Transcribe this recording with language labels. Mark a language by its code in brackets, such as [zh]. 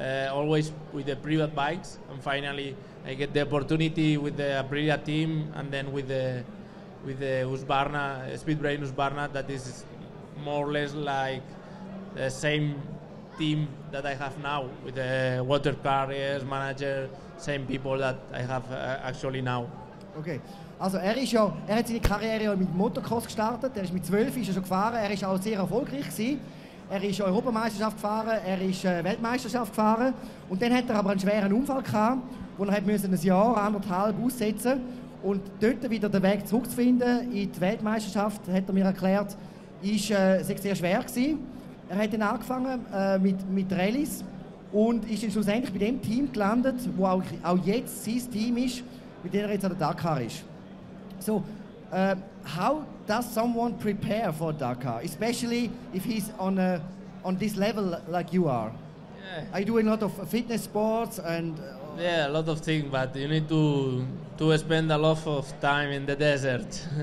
[en] always with the private bikes, and finally I get the opportunity with the Aprilia team and then with the Husqvarna, Speedbrain Husqvarna, that is more or less like the same team that I have now, with the water carriers, manager, same people that I have actually now. [de] Okay, also er hat seine Karriere mit Motocross gestartet, er ist mit 12 ist er schon gefahren, er ist auch sehr erfolgreich gewesen. Er ist Europameisterschaft gefahren, er ist Weltmeisterschaft gefahren und dann hat er aber einen schweren Unfall gehabt, wo er musste ein Jahr, anderthalb aussetzen. Und dort wieder den Weg zurückzufinden in die Weltmeisterschaft, hat er mir erklärt, war sehr schwer gewesen. Er hat dann angefangen mit Rallyes und ist dann schlussendlich bei dem Team gelandet, wo auch jetzt sein Team ist, mit dem er jetzt an der Dakar ist. [en] So, how does someone prepare for Dakar, especially if he's on this level like you are? Yeah. Are you doing a lot of fitness sports and... Yeah, a lot of things, but you need to spend a lot of time in the desert.